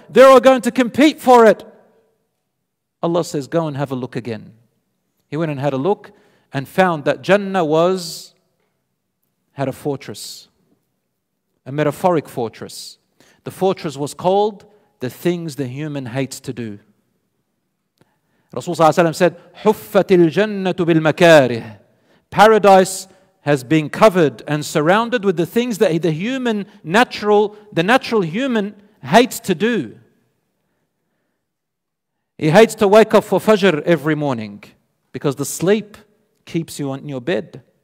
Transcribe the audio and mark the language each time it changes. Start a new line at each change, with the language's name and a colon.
English: They're all going to compete for it. Allah says, go and have a look again. He went and had a look and found that Jannah had a fortress, a metaphoric fortress. The fortress was called the things the human hates to do. Rasulullah said,
Arabic: حُفَّتِ الْجَنَّةُ بِالْمَكَارِهِ.
English: Paradise has been covered and surrounded with the things that the natural human hates to do. He hates to wake up for Fajr every morning because the sleep keeps you in your bed.